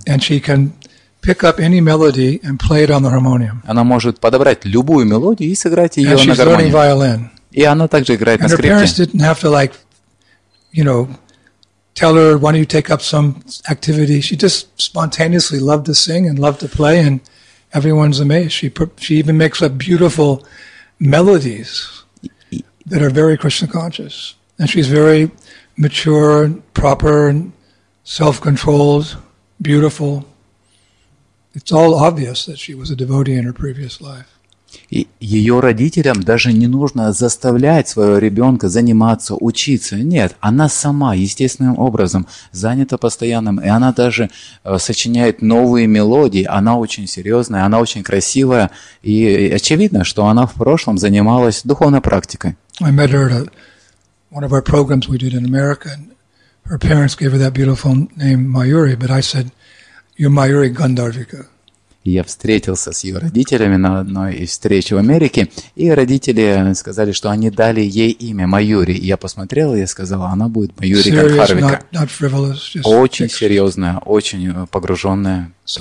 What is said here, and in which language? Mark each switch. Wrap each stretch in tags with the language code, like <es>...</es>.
<en>And she can pick up any melody and play it on the harmonium.</en> <ru>Она может подобрать любую мелодию и сыграть ее на гармонии. И она также играет на скрипке.</ru> <en>And her parents didn't have to, like, you know, tell her, why don't you take up some activity. She just spontaneously loved to sing and loved to play, and everyone's amazed. She even makes up beautiful melodies that are very Krishna conscious. And she's very mature, proper, and self-controlled, beautiful. It's all obvious that she was a devotee in her previous life.</en> <ru>И ее родителям даже не нужно заставлять своего ребенка заниматься, учиться. Нет, она сама естественным образом занята постоянным, и она даже сочиняет новые мелодии. Она очень серьезная, она очень красивая, и очевидно, что она в прошлом занималась духовной практикой.</ru> <en>I met her at a one of our programs we did in America, and her parents gave her that beautiful name Mayuri, but I said, you're Mayuri Gandharvika.</en> <ru>Я встретился с ее родителями на одной из встреч в Америке, и родители сказали, что они дали ей имя Майюри. Я посмотрел, и я сказал, она будет Майюри Гандхарвика. Очень серьезная, очень погруженная,</ru>